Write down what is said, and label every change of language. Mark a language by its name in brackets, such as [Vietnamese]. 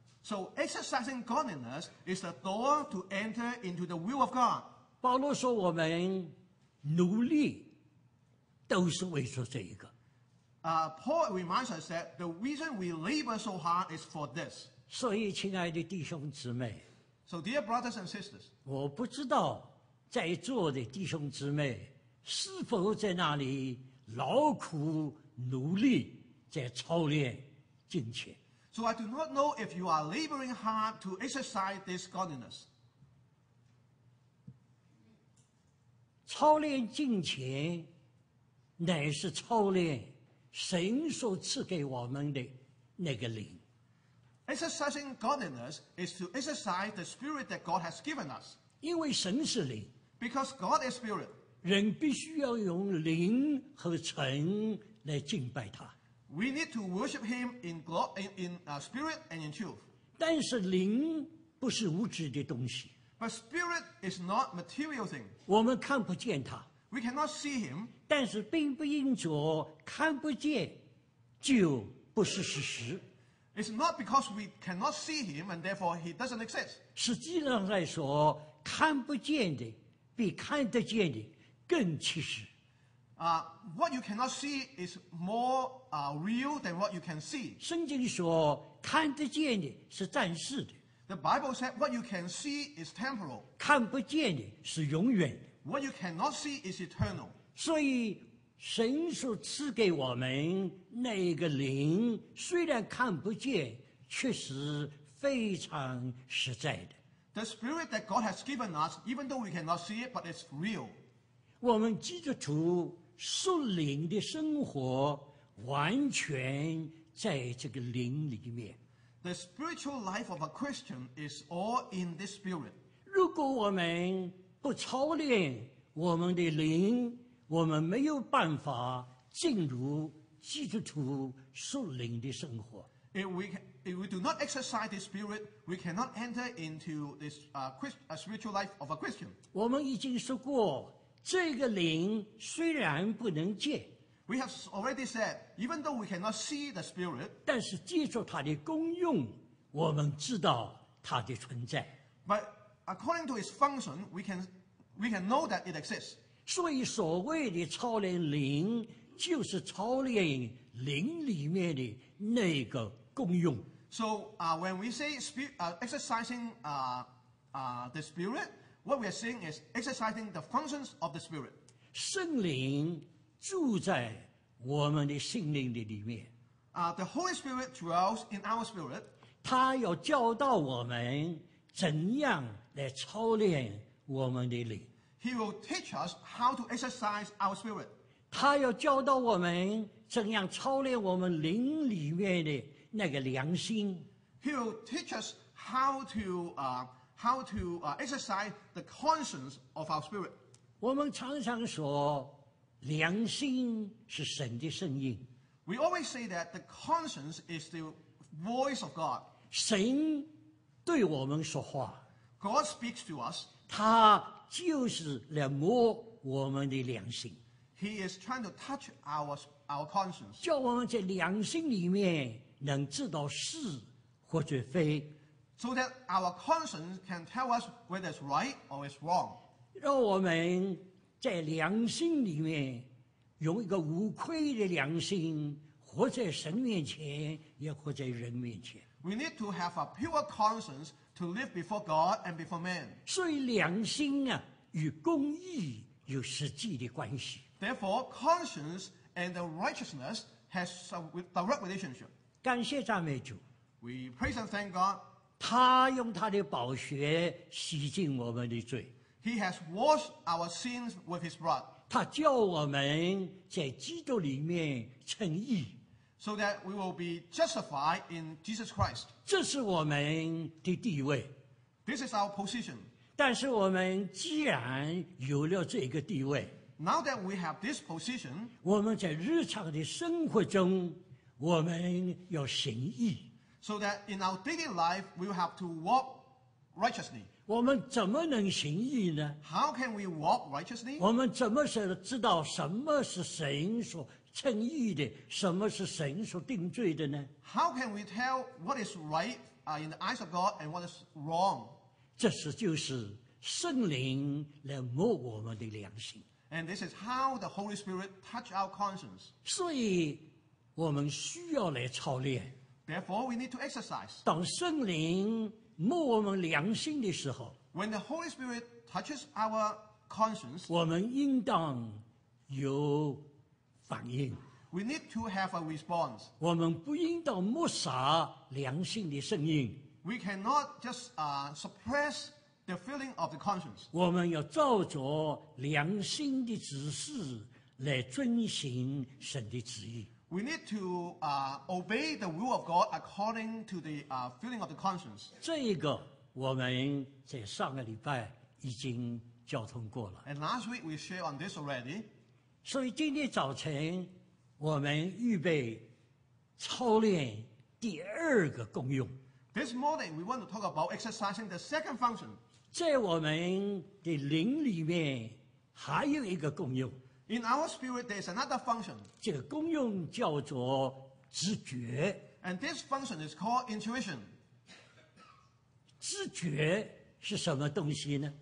[English] So exercising godliness is the door to enter into the will of God. [Chinese] 保罗说我们努力都是为了这一个。 [English] Paul reminds us that the reason we labor so hard is for this. [Chinese] 所以亲爱的弟兄姊妹。 [English] So dear brothers and sisters. [Chinese] 我不知道在座的弟兄姊妹是否在那里劳苦努力在操练金钱。 [English] So I do not know if you are laboring hard to exercise this godliness. [Chinese] 操练金钱乃是操练神所赐给我们的那个灵。 [English] Exercising godliness is to exercise the spirit that God has given us. [Chinese] 因为神是灵。 [English] Because God is spirit. [Chinese] 人必须要用灵和诚来敬拜他。 [English] We need to worship Him in spirit and in truth. [Chinese] 但是灵不是物质的东西。 [English] But spirit is not material thing. [Chinese] 我们看不见他。 [English] We cannot see Him. [Chinese] 但是并不因着看不见就不是事实。 [English] It's not because we cannot see Him and therefore He doesn't exist. [Chinese] 实际上来说，看不见的比看得见的更其实。 [English] What you cannot see is more real than what you can see. [Chinese] 圣经说看得见的是暂时的。 [English] The Bible said what you can see is temporal. [Chinese] 看不见的是永远的。 [English] What you cannot see is eternal. [Chinese] 所以神所赐给我们那个灵虽然看不见确实非常实在的。 [English] The spirit that God has given us, even though we cannot see it, but it's real. [Chinese] 我们基督徒属灵的生活完全在这个灵里面。 [English] The spiritual life of a Christian is all in this spirit. [Chinese] 如果我们不操练我们的灵，我们没有办法进入基督徒属灵的生活。 [English] If we do not exercise the spirit, we cannot enter into this spiritual life of a Christian. [Chinese] 我们已经说过这个灵虽然不能见， [English] We have already said, even though we cannot see the Spirit, [Chinese] 但是借助它的功用，我们知道它的存在。 [English] But according to its function, we can We can know that it exists. [Chinese] 所以所谓的操练灵，就是操练灵里面的那个功用。 [English] So, when we say exercising the spirit, what we are saying is exercising the functions of the spirit. [Chinese] 圣灵住在我们的心灵的里面。 [English] The Holy Spirit dwells in our spirit. [Chinese] 他要教导我们怎样来操练我们的灵。 [English] He will teach us how to exercise our spirit. [Chinese] 他要教导我们怎样操练我们灵里面的那个良心。 [English] He will teach us how to exercise the conscience of our spirit. [Chinese] 我们常常说良心是神的声音。 [English] We always say that the conscience is the voice of God. [Chinese] 神对我们说话。 [English] God speaks to us. [Chinese] 他就是来摸我们的良心。 [English] He is trying to touch our conscience. [Chinese] 叫我们在良心里面能知道是或者非。 [English] So that our conscience can tell us whether it's right or it's wrong. [Chinese] 让我们在良心里面用一个无愧的良心活在神面前也活在人面前。 [English] We need to have a pure conscience to live before God and before man. [Chinese] 所以良心啊与公义有实际的关系。 [English] Therefore, conscience and the righteousness has a direct relationship. [Chinese] 感谢赞美主。 [English] We praise and thank God. [Chinese] 他用他的宝血洗净我们的罪。 [English] He has washed our sins with his blood. [Chinese] 他叫我们在基督里面称义。 [English] So that we will be justified in Jesus Christ. [Chinese] 这是我们的地位。 [English] This is our position. [Chinese] 但是我们既然有了这个地位。 [English] Now that we have this position. [Chinese] 我们在日常的生活中我们要行义。 [English] So that in our daily life, we will have to walk righteously. [Chinese] 我们怎么能行义呢? [English] How can we walk righteously? [Chinese] 我们怎么是知道什么是神所称义的,什么是神所定罪的呢? [English] How can we tell what is right in the eyes of God and what is wrong? [Chinese] 这是就是圣灵来摸我们的良心。 [English] And this is how the Holy Spirit touch our conscience. [Chinese] 所以我们需要来操练。 [English] Therefore, we need to exercise. [Chinese] 当圣灵摸我们良心的时候， [English] When the Holy Spirit touches our conscience, [Chinese] 我们应当有反应。 [English] We need to have a response. [Chinese] 我们不应当抹杀良心的声音。 [English] We cannot just suppress the feeling of the conscience. [Chinese] 我们要照着良心的指示来遵行神的旨意。 [English] We need to obey the will of God according to the feeling of the conscience. [Chinese] 这一个我们在上个礼拜已经交通过了。 [English] And last week we shared on this already. [Chinese] 所以今天早晨我们预备操练第二个功用。 [English] This morning we want to talk about exercising the second function. [Chinese] 在我们的灵里面还有一个功用。 [English] In our spirit, there is another function. [Chinese] 这个功用叫做直觉。 [English] And this function is called intuition. [Chinese] 直觉是什么东西呢?